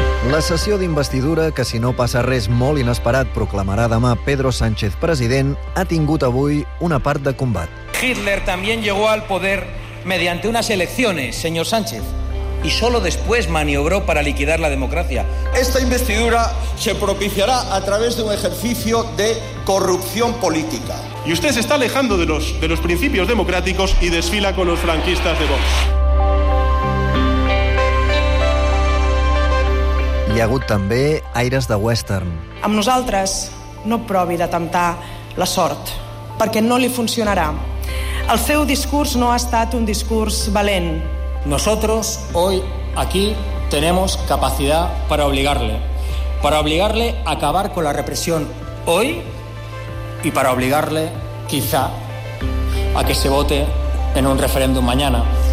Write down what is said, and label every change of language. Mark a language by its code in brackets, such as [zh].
[ca] La sessió d'investidura, que si no passa res molt inesperat, proclamarà demà Pedro Sánchez president, ha tingut avui una part de combat. [es] Hitler también llegó al poder mediante unas elecciones, señor Sánchez, y solo después maniobró para liquidar la democracia. Esta investidura se propiciará a través de un ejercicio de corrupción política. Y usted se está alejando de los principios democráticos y desfila con los franquistas de Vox. [ca] Hi ha hagut també aires de western. Amb nosaltres no provi de temptar la sort, perquè no li funcionarà. El seu discurs no ha estat un discurs valent. [es] Nosotros hoy aquí tenemos capacidad para obligarle a acabar con la represión hoy y para obligarle quizá a que se vote en un referéndum mañana.